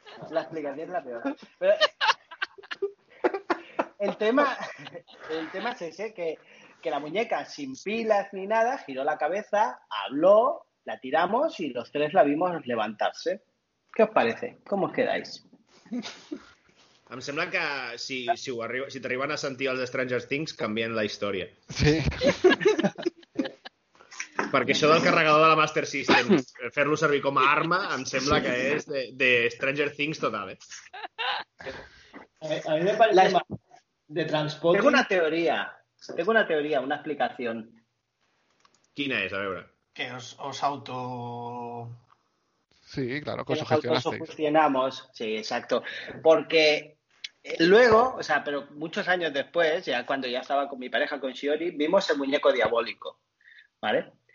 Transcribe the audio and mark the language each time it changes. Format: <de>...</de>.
<es>La explicación es la peor. Pero el tema es ese, que la muñeca sin pilas ni nada giró la cabeza, habló, la tiramos y los tres la vimos levantarse. ¿Qué os parece? ¿Cómo os quedáis?</es> <ca>Em sembla que si t'arriben a sentir els Stranger Things, canvien la història. Sí. Perquè això del carregador de la Master System, fer-lo servir com a arma, em sembla que és de Stranger Things total, eh?</ca> <es>A mi me parece de transporte... Tengo una teoria, una explicación.</es> <ca>Quina és? A veure.</ca> <es>Que os auto... Sí, claro, que os sugestionasteis. Que os sugestionamos, sí, exacto. Porque luego, o sea, pero muchos años después, ya cuando ya estaba con mi pareja, con Shiori, vimos el muñeco diabólico, ¿vale?</es>